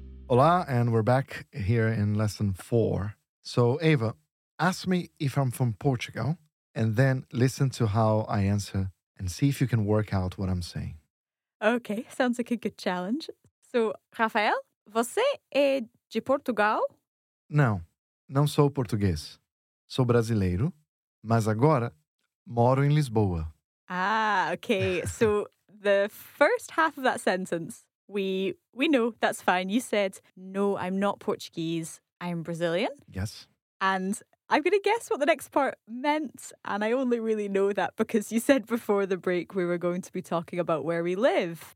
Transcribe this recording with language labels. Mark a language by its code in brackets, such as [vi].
[en] Olá, and we're back here in lesson 4. So, Eva, ask me if I'm from Portugal, and then listen to how I answer and see if you can work out what I'm saying. Okay, sounds like a good challenge. [pt] So, Rafael, você é de Portugal? Não, não sou português. Sou brasileiro, mas agora moro em Lisboa. [en] Ah, okay. So, the first half of that sentence... We know, that's fine. You said, no, I'm not Portuguese, I'm Brazilian. Yes. And I'm going to guess what the next part meant. And I only really know that because you said before the break we were going to be talking about where we live.